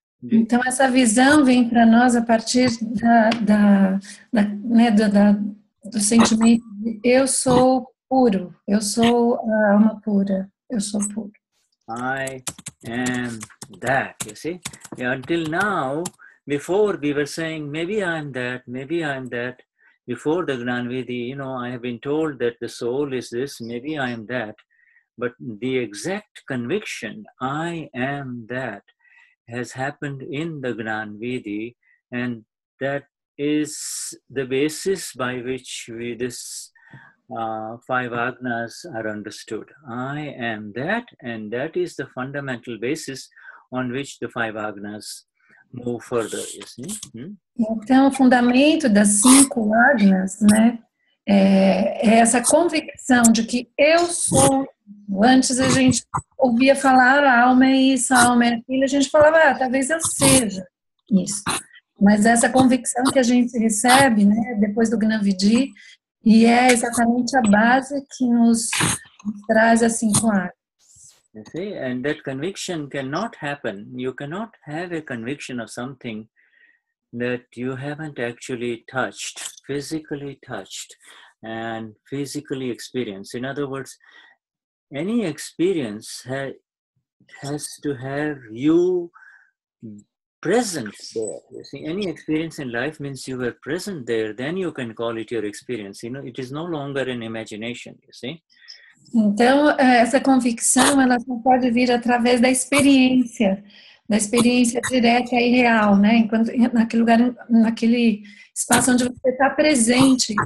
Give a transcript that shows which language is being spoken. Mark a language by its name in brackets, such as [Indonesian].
[Portuguese] Então essa visão vem para nós a partir da, né, da, do sentimento de eu sou puro, eu sou a alma pura, eu sou puro. [English] I am that, you see? Yeah, until now, before we were saying, maybe I'm that, maybe I'm that. Before the Gnanvedi, you know, I have been told that the soul is this, maybe I am that. But the exact conviction, I am that, has happened in the Gnanvedi, and that is the basis by which we this five Agnas are understood. I am that, and that is the fundamental basis on which the five Agnas move further, you see? [Portuguese] Então, o fundamento das cinco Agnas, né, é essa convicção de que eu sou. Antes a gente ouvia falar a alma é isso, a alma é aquilo, a gente falava, ah, talvez eu seja isso. Mas essa convicção que a gente recebe, né, depois do Gnanvedi, e é exatamente a base que nos traz as cinco Agnas. [English] You see, and that conviction cannot happen. You cannot have a conviction of something that you haven't actually touched, physically touched, and physically experienced. In other words, any experience has to have you present there. You see, any experience in life means you were present there, then you can call it your experience. You know, it is no longer an imagination, you see. [Portuguese] Então, essa convicção, ela só pode vir através da experiência. Da experiência direta e real, né? Enquanto, naquele lugar, naquele espaço onde você está presente.